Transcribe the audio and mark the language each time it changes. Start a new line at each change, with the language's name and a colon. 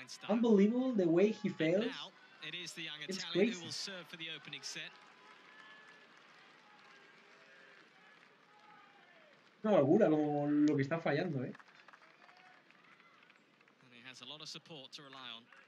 English: Unbelievable the way he fails. Now, it is the young Italian who will serve for the opening set.
Spanish: Una locura como lo que está fallando, eh.
English: And he has a lot of support to rely on.